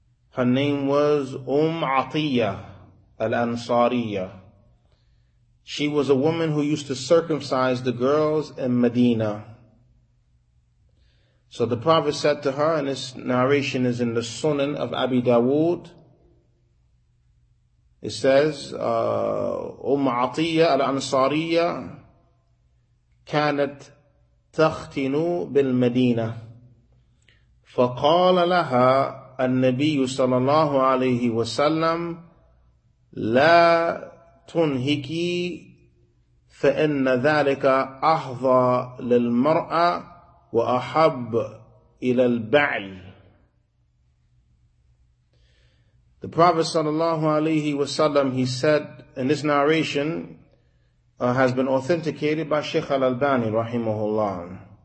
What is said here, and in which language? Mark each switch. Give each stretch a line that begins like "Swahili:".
English: Her name was Atiyah Al-Ansariyah. She was a woman who used to circumcise the girls in Medina. So the Prophet said to her, and this narration is in the Sunan of Abi Dawood. It says,
Arabic: Atiyah Al-Ansariyah كانت تختن بالمدينة فقال لها النبي صلى الله عليه وسلم لا تنهكي فإن ذلك أحظى للمرأة وأحب إلى البعل.
English: The Prophet sallallahu alayhi wasallam, he said, and this narration has been authenticated by Sheikh al-Albani rahimahullah.